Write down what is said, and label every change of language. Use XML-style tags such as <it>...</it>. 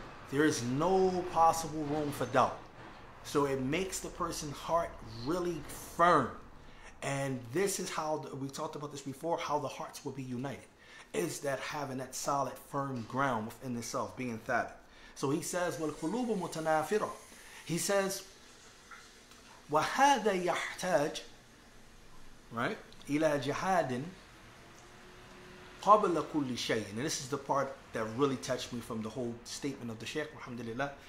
<en>There is no possible room for doubt. So it makes the person's heart really firm. And this is how, we talked about this before, how the hearts will be united. Is that having that solid, firm ground within itself, being thabit. So he says,</en> <ar>وَالْقُلُوبُ مُتَنَافِرًا.</ar> <en>He says,</en> <ar>وَهَذَا يَحْتَاجْ إِلَى جِهَادٍ قَبْلَ كُلِّ شَيْءٍ.</ar> <en>And this is the part that really touched me from the whole statement of the Shaykh, alhamdulillah.</en>